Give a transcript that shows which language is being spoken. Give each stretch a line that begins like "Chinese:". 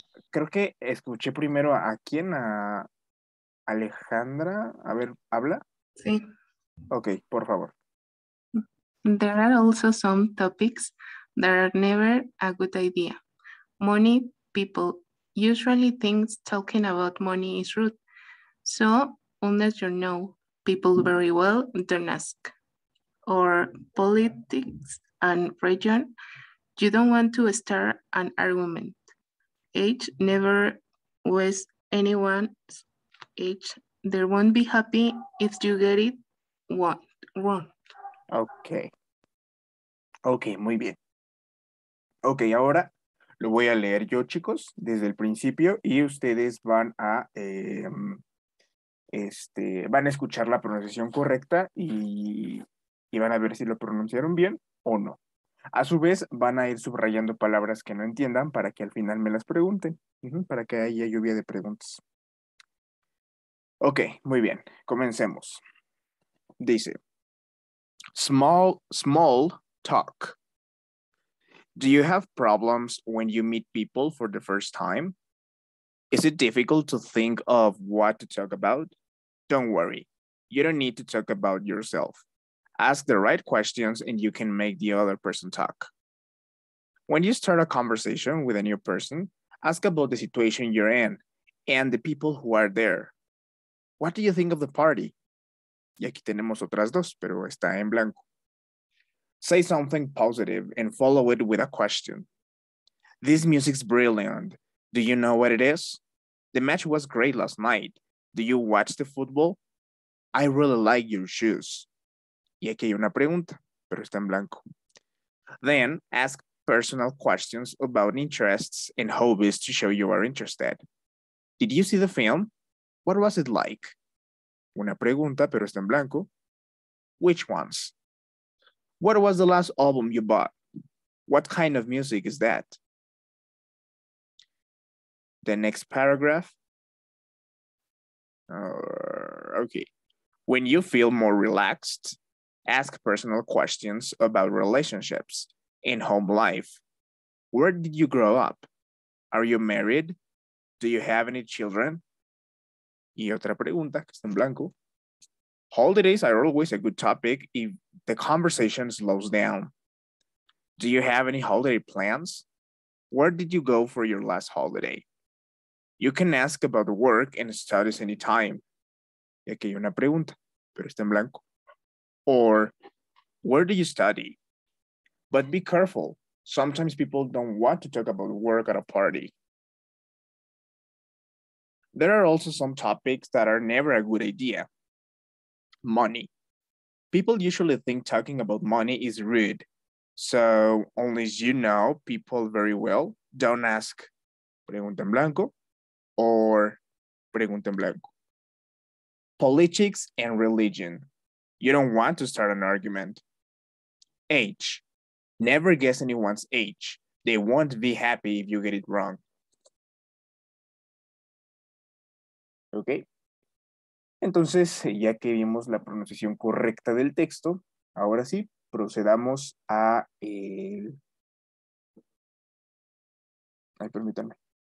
Spanish: Creo que escuché primero a quién, a Alejandra. A ver, ¿habla? Sí. Okay, por favor.
English: There are also some topics that are never a good idea. Money, people usually think talking about money is rude. So, unless you know people very well, don't ask. Or politics and religion, you don't want to start an argument. Age never was anyone's age. They won't be happy if you get it wrong.
Spanish: Okay. Okay, muy bien. Okay, ahora lo voy a leer yo, chicos, desde el principio, y ustedes van a van a escuchar la pronunciación correcta y van a ver si lo pronunciaron bien o no. A su vez, van a ir subrayando palabras que no entiendan para que al final me las pregunten, para que haya lluvia de preguntas. Ok, muy bien, comencemos. Dice, small talk.
English: Do you have problems when you meet people for the first time? Is it difficult to think of what to talk about? Don't worry, you don't need to talk about yourself. Ask the right questions and you can make the other person talk. When you start a conversation with a new person, ask about the situation you're in and the people who are there. What do you think of the party?
Spanish: Y aquí tenemos otras dos, pero está en blanco.
English: Say something positive and follow it with a question. This music's brilliant. Do you know what it is? The match was great last night. Do you watch the football? I really like your shoes.
Spanish: Y aquí hay una pregunta, pero está en blanco.
English: Then ask personal questions about interests and hobbies to show you are interested. Did you see the film? What was it like?
Spanish: Una pregunta, pero está en blanco.
English: Which ones? What was the last album you bought? What kind of music is that? The next paragraph. Okay. When you feel more relaxed, ask personal questions about relationships in home life. Where did you grow up? Are you married? Do you have any children?
Spanish: Y otra pregunta, que está en blanco.
English: Holidays are always a good topic if the conversation slows down. Do you have any holiday plans? Where did you go for your last holiday? You can ask about work and studies anytime.
Spanish: Y aquí hay una pregunta, pero está en blanco.
English: Or, where do you study? But be careful. Sometimes people don't want to talk about work at a party. There are also some topics that are never a good idea. Money. People usually think talking about money is rude. So, unless you know people very well, don't ask.
Spanish: Pregunta en blanco. Or, pregunta en blanco.
English: Politics and religion. You don't want to start an argument. Age. Never guess anyone's age. They won't be happy if you get it wrong. Okay.
Spanish: Entonces, ya que vimos la pronunciación correcta del texto, ahora sí, procedamos a el... Ay, permítanme.